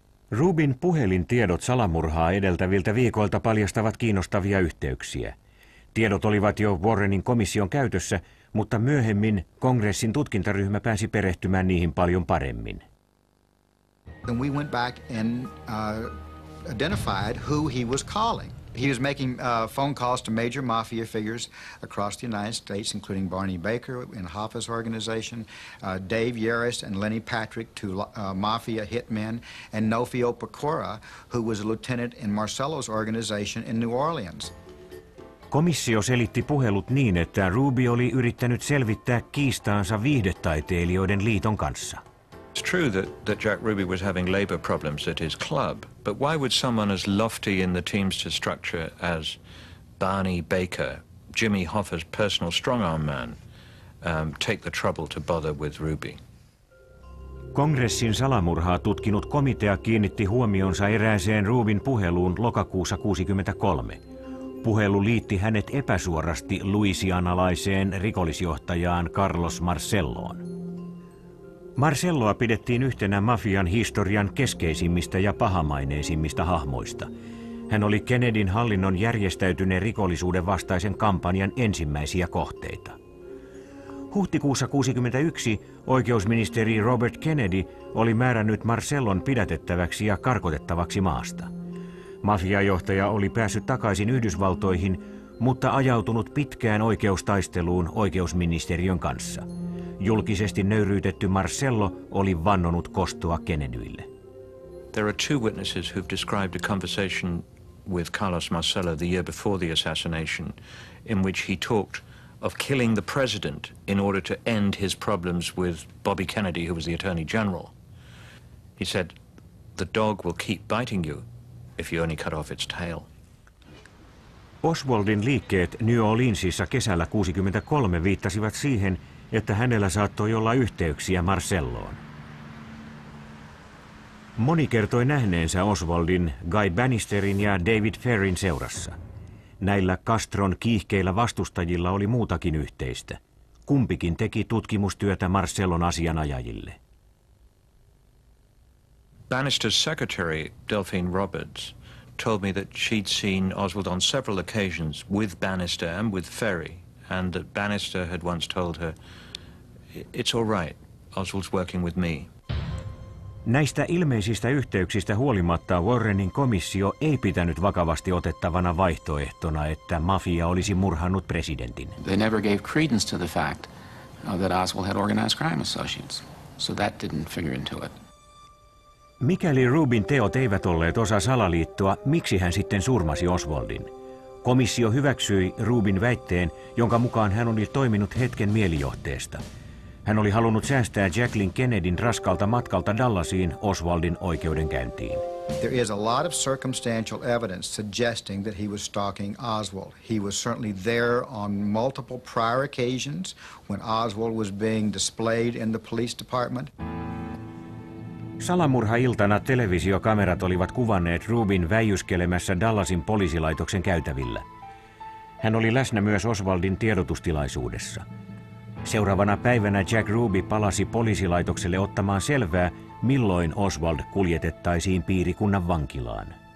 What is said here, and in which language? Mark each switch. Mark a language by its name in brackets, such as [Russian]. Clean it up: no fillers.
[Finnish] Rubin puhelintiedot salamurhaa edeltäviltä viikoilta paljastavat kiinnostavia yhteyksiä. Tiedot olivat jo Warrenin komission käytössä, mutta myöhemmin kongressin tutkintaryhmä pääsi perehtymään niihin paljon paremmin. [English] Then we went back and identified who he was calling. He was making phone calls to major mafia figures across the United States, including Barney Baker in Hoffa's organization, Dave Yarris and Lenny Patrick, two mafia hitmen, and Nofio Pecora, who was a lieutenant in Marcello's organization in New Orleans. [Finnish] Komissio selitti puhelut niin, että Ruby oli yrittänyt selvittää kiistaansa viihdetaiteilijoiden liiton kanssa. [English] It's true that Jack Ruby was having labor problems at his club, but why would someone as lofty in the Teamster structure as Barney Baker, Jimmy Hoffa's personal strong-arm man, take the trouble to bother with Ruby? [Finnish] Kongressin salamurhaa tutkinut komitea kiinnitti huomionsa erääseen Rubin puheluun lokakuussa 1963. Puhelu liitti hänet epäsuorasti louisianalaiseen rikollisjohtajaan Carlos Marcelloon. Marcelloa pidettiin yhtenä mafian historian keskeisimmistä ja pahamaineisimmista hahmoista. Hän oli Kennedyn hallinnon järjestäytyneen rikollisuuden vastaisen kampanjan ensimmäisiä kohteita. Huhtikuussa 1961 oikeusministeri Robert Kennedy oli määrännyt Marcellon pidätettäväksi ja karkotettavaksi maasta. Mafiajohtaja oli päässyt takaisin Yhdysvaltoihin, mutta ajautunut pitkään oikeustaisteluun oikeusministeriön kanssa. Julkisesti nöyryytetty Marcello oli vannonut kostoa Kennedylle. [English] There are two witnesses who've described a conversation with Carlos Marcello the year before the assassination, in which he talked of killing the president in order to end his problems with Bobby Kennedy, who was the attorney general. He said, "The dog will keep biting you if you only cut off its tail." [Finnish] Oswaldin liikkeet New Orleansissa kesällä 1963 viittasivat siihen, että hänellä saattoi olla yhteyksiä Marcelloon. Moni kertoi nähneensä Oswaldin, Guy Bannisterin ja David Ferrin seurassa. Näillä Castron kiihkeillä vastustajilla oli muutakin yhteistä. Kumpikin teki tutkimustyötä Marcellon asianajajille. [English] Bannister's secretary, Delphine Roberts, told me that she'd seen Oswald on several occasions with Bannister and with Ferry. And that Bannister had once told her, "It's all right. Oswald's working with me." [Finnish] Näistä ilmeisistä yhteyksistä huolimatta Warrenin komissio ei pitänyt vakavasti otettavana vaihtoehtona, että mafia olisi murhannut presidentin. [English] They never gave credence to the fact that Oswald had organized crime associates, so that didn't figure into it. [Finnish] Mikäli Rubin teot eivät olleet osa salaliittoa, miksi hän sitten surmasi Oswaldin? Komissio hyväksyi Rubin väitteen, jonka mukaan hän oli toiminut hetken mielijohteesta. Hän oli halunnut säästää Jacqueline Kennedyn raskalta matkalta Dallasiin Oswaldin oikeudenkäyntiin. [English] There is a lot of circumstantial evidence suggesting that he was stalking Oswald. He was certainly there on multiple prior occasions when Oswald was being displayed in the police department. [Finnish] Salamurha-iltana televisiokamerat olivat kuvanneet Rubin väijyskelemässä Dallasin poliisilaitoksen käytävillä. Hän oli läsnä myös Oswaldin tiedotustilaisuudessa. Seuraavana päivänä Jack Ruby palasi poliisilaitokselle ottamaan selvää, milloin Oswald kuljetettaisiin piirikunnan vankilaan.